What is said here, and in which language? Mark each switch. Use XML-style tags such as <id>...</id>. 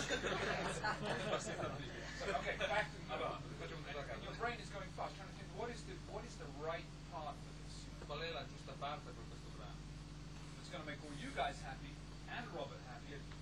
<en>Okay, back to the and your brain is going fast, trying to think, what is the right part for this?</en> <it>Qual è la giusta parte per questo brano?</it> <en>It's going to make all you guys happy, and Robert happy, and</en>